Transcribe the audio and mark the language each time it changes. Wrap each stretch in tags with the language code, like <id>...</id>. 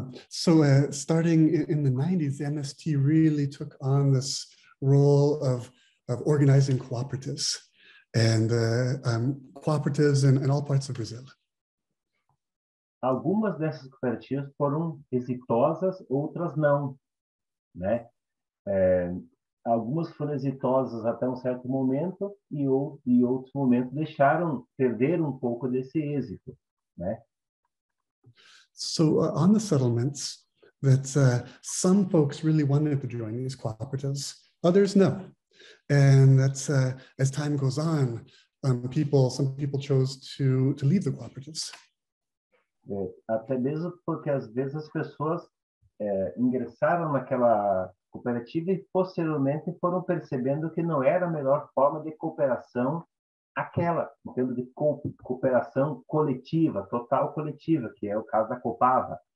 <en>Starting in the 90s, the MST really took on this role of organizing cooperatives and cooperatives in all parts of Brazil.</en> <pt>Algumas dessas cooperativas foram exitosas, outras não, né? Algumas foram exitosas até um certo momento e outros momentos deixaram perder um pouco desse êxito, né?</pt> <en>So on the settlements, that some folks really wanted to join these cooperatives, others no. And that's as time goes on, some people chose to leave the cooperatives.</en> <pt>Até mesmo porque às vezes as pessoas ingressaram naquela cooperativa e posteriormente foram percebendo que não era a melhor forma de cooperação aquela, em termos de cooperação coletiva, total coletiva, que é o caso da Copava.</pt>